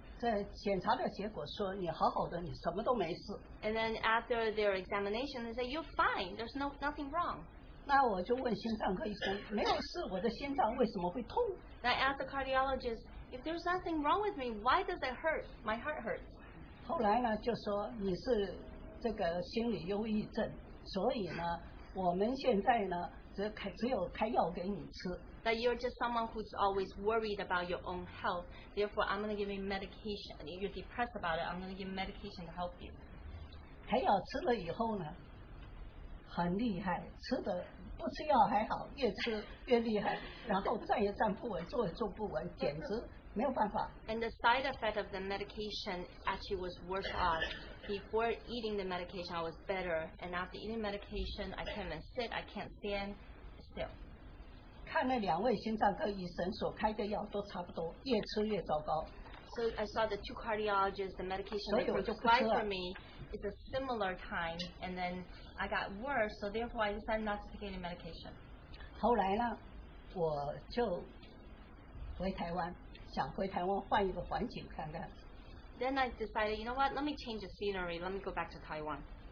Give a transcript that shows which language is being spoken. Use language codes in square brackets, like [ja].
[zh] 在检查的结果说,你好好的,你什么都没事。 [en] And then after their examination, they say, you're fine, there's no, nothing wrong. [zh] 那我就问心脏科医生,没有事,我的心脏为什么会痛? [en] I asked the cardiologist, if there's nothing wrong with me, why does it hurt? My heart hurts. [zh] 后来呢,就说你是这个心理忧郁症,所以呢,我们现在呢,只有开药给你吃。 [en] That you're just someone who's always worried about your own health, therefore I'm going to give you medication. If you're depressed about it, I'm going to give you medication to help you. [zh] 开药吃了以后呢,很厉害, 吃的 不吃药还好,越吃越厉害,然后站也站不稳,坐也坐不稳,简直没有办法。 [en] And the side effect of the medication actually was worse off. Before eating the medication, I was better. And after eating medication, I can't even sit, I can't stand still. [zh] 看那两位心脏科医生所开的药都差不多,越吃越糟糕。 [en] So I saw the two cardiologists, the medication they prescribed for me, it's a similar time, and then I got worse, so therefore I decided not to take any medication. [zh] 后来呢,我就回台湾,想回台湾换一个环境看看。 [en] Then I decided, you know what, let me change the scenery, let me go back to Taiwan.